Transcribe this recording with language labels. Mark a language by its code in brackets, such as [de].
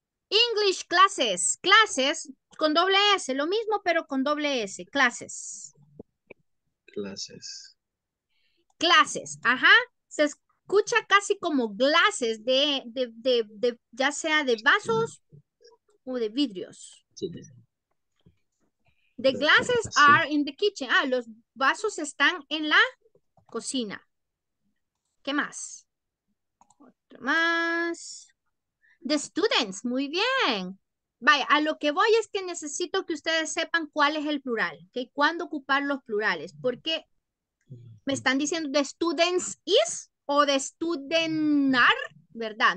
[en] English classes, [es] clases con doble S, lo mismo pero con doble S, clases. Clases. Clases, ajá. Se escucha casi como glasses de ya sea de vasos o de vidrios. Sí. [en] The glasses are in the kitchen. [es] Ah, los vasos están en la cocina. ¿Qué más? Otro más. [en] The students, [es] muy bien. Vaya, a lo que voy es que necesito que ustedes sepan cuál es el plural, ¿okay? ¿Cuándo ocupar los plurales? Porque me están diciendo [en] the students is [es] o [en] the student are, [es] ¿verdad?